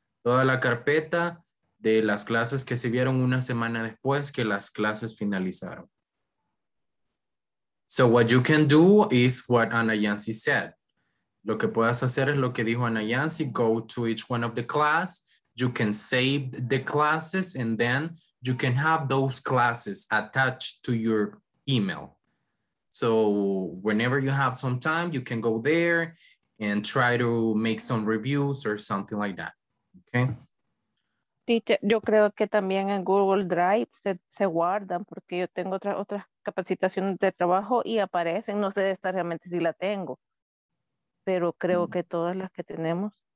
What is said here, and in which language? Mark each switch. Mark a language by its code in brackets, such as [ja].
[es] Toda la carpeta de las clases que se vieron una semana después que las clases finalizaron. [en] So what you can do is what Ana Yancy said. [es] Lo que puedas hacer es lo que dijo Ana Yancy. [en] Go to each one of the class. You can save the classes and then you can have those classes attached to your email. So whenever you have some time, you can go there and try to make some reviews or something like that, okay? [es] Yo creo que también en Google Drive se guardan porque yo tengo otras capacitaciones de trabajo y aparecen. No sé realmente si la tengo, pero creo que todas las que tenemos.